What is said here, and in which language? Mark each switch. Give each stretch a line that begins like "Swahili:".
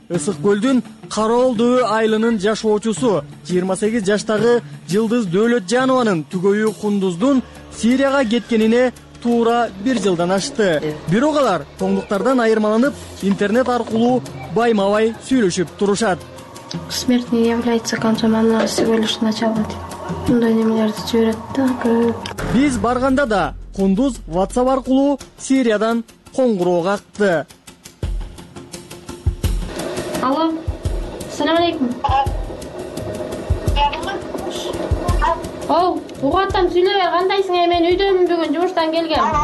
Kyrgyz: Ысык Көлдүн Караол Дөө айылынын жашоочусу 28 жаштагы Жылдыз Дөөлөтжанованын түгөйү Кундуздун Сирияга кеткенине туура 1 жылдан ашты. Бирок алар тоңдуктардан айырмаланып интернет аркылуу баймабай сүйлөшүп турушат.
Russian: Смерть не является концом, она всего лишь начало.
Kyrgyz: Мындай немелерди жиберет да. Биз барганда да Кундуз WhatsApp аркылуу Сириядан коңгуроо какты. Алло. Салам алейкум. Оо, угуптан сүйлөбө, кандайсың? Мен үйдөмүн, бүгүн жумуштан келген.